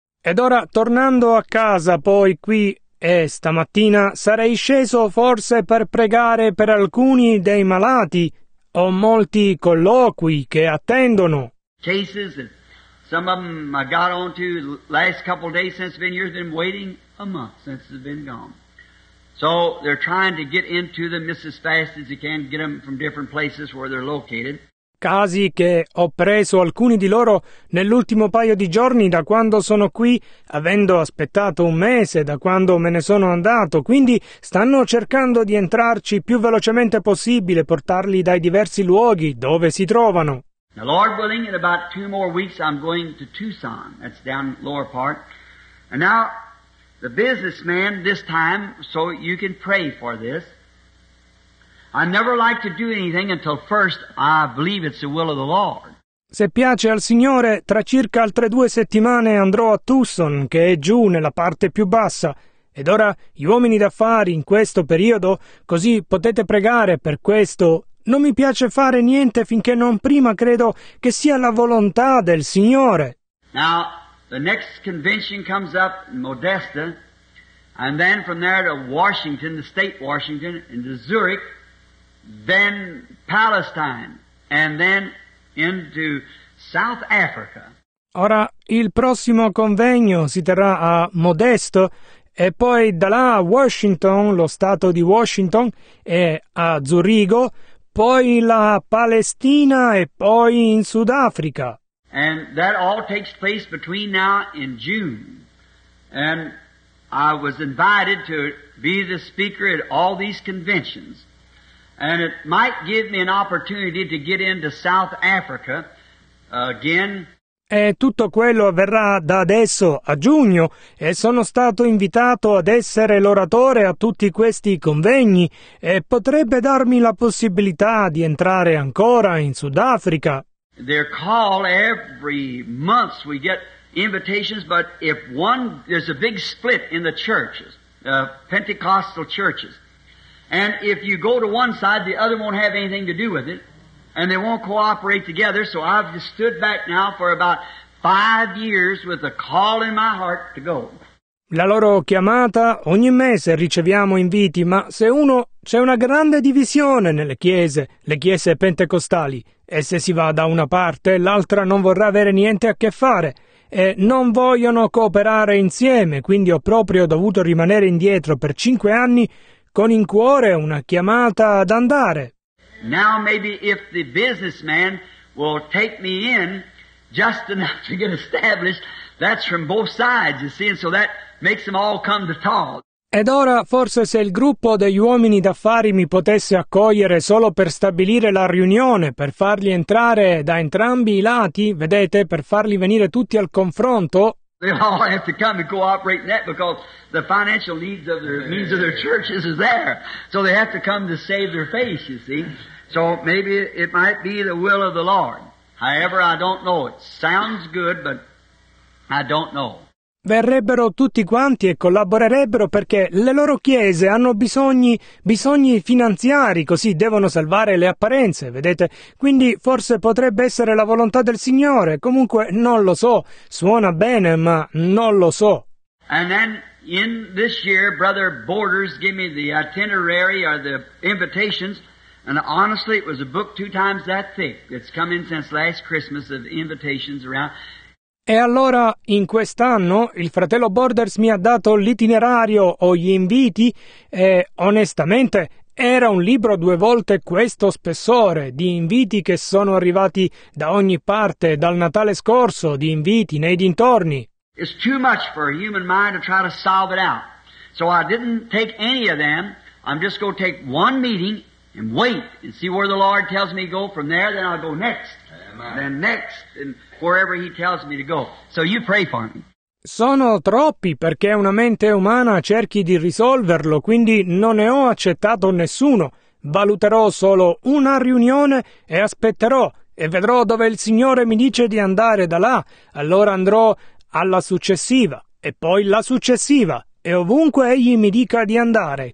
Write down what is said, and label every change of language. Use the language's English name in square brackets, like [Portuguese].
[Italian] Ed ora, tornando a casa poi qui, e stamattina sarei sceso forse per pregare per alcuni dei malati o molti colloqui che attendono. [English] Cases, some of them I got onto the last couple of days since I've been here, been waiting a month since I've been gone. So they're trying to get into them just as fast as you can, get them from different places where they're located. [Italian] Casi che ho preso alcuni di loro nell'ultimo paio di giorni da quando sono qui, avendo aspettato un mese da quando me ne sono andato, quindi stanno cercando di entrarci più velocemente possibile, portarli dai diversi luoghi dove si trovano. [English] Now, Lord willing, in about two more weeks I'm going to Tucson, that's down lower part, and now the businessman this time, so you can pray for this. I never like to do anything until first I believe it's the will of the Lord. [Italian] Se piace al Signore, tra circa altre due settimane andrò a Tucson, che è giù nella parte più bassa. Ed ora, gli uomini d'affari in questo periodo, così potete pregare per questo. Non mi piace fare niente finché non prima credo che sia la volontà del Signore. [English] Now, the next convention comes up in Modesta, and then from there to Washington, the state Washington, and to Zurich. Then Palestine, and then into South Africa. [Italian] Ora il prossimo convegno si terrà a Modesto, e poi da là a Washington, lo stato di Washington, e a Zurigo, poi la Palestina, e poi in Sudafrica. [English] And that all takes place between now and June. And I was invited to be the speaker at all these conventions. And it might give me an opportunity to get into South Africa again. [Italian] E tutto quello avverrà da adesso a giugno, e sono stato invitato ad essere l'oratore a tutti questi convegni, e potrebbe darmi la possibilità di entrare ancora in Sudafrica. [English] They're called every month we get invitations, but if one there's a big split in the churches, Pentecostal churches. And if you go to one side, the other won't have anything to do with it, and they won't cooperate together. So I've just stood back now for about 5 years with a call in my heart to go. [Italian] La loro chiamata, ogni mese riceviamo inviti, ma se uno, c'è una grande divisione nelle chiese, le chiese pentecostali, e se si va da una parte, l'altra non vorrà avere niente a che fare. E non vogliono cooperare insieme, quindi ho proprio dovuto rimanere indietro per 5 anni, con in cuore una chiamata ad andare. [English] Now maybe if the businessman will take me in just enough to get established, that's from both sides, you see, and so that makes them all come to talk. [Italian] Ed ora forse se il gruppo degli uomini d'affari mi potesse accogliere solo per stabilire la riunione, per farli entrare da entrambi i lati, vedete, per farli venire tutti al confronto. [English] They'll all have to come and cooperate in that because the financial needs of their churches is there. So they have to come to save their face, you see. So maybe it might be the will of the Lord. However, I don't know. It sounds good, but I don't know. [Italian] Verrebbero tutti quanti e collaborerebbero perché le loro chiese hanno bisogni finanziari, così devono salvare le apparenze, vedete? Quindi forse potrebbe essere la volontà del Signore, comunque non lo so, suona bene, ma non lo so. [English] And then in this year, Brother Borders gave me the itinerary or the invitations, and honestly it was a book two times that thick that's come in since last Christmas of invitations around. [Italian] E allora, in quest'anno, il fratello Borders mi ha dato l'itinerario o gli inviti e, onestamente, era un libro due volte questo spessore di inviti che sono arrivati da ogni parte, dal Natale scorso, di inviti nei dintorni. [English] It's too much for a human mind to try to solve it out. So I didn't take any of them. I'm just going to take one meeting and wait and see where the Lord tells me to go from there, then I'll go next. Then next, and wherever he tells me to go. So you pray for me. [Italian] Sono troppi perché una mente umana cerchi di risolverlo, quindi non ne ho accettato nessuno. Valuterò solo una riunione e aspetterò e vedrò dove il Signore mi dice di andare da là. Allora andrò alla successiva e poi la successiva e ovunque Egli mi dica di andare.